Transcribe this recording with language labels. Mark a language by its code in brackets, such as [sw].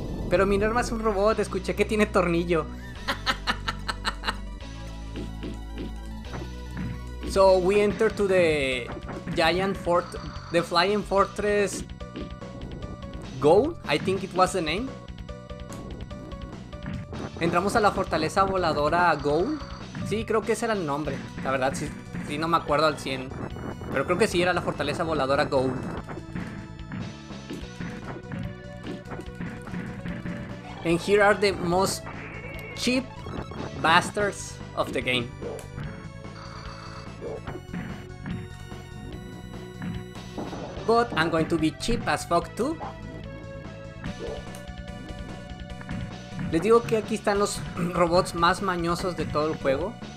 [es] Pero Minerva es un robot, escuché que tiene tornillo. [en] So we enter to the giant fort, the flying fortress Gold, I think it was the name. [es] Entramos a la fortaleza voladora Gold. Sí, creo que ese era el nombre. La verdad, sí, no me acuerdo al 100. Pero creo que sí, era la fortaleza voladora Gold. [en] And here are the most cheap bastards of the game. But I'm going to be cheap as fuck too. [es] Les digo que aquí están los robots más mañosos de todo el juego.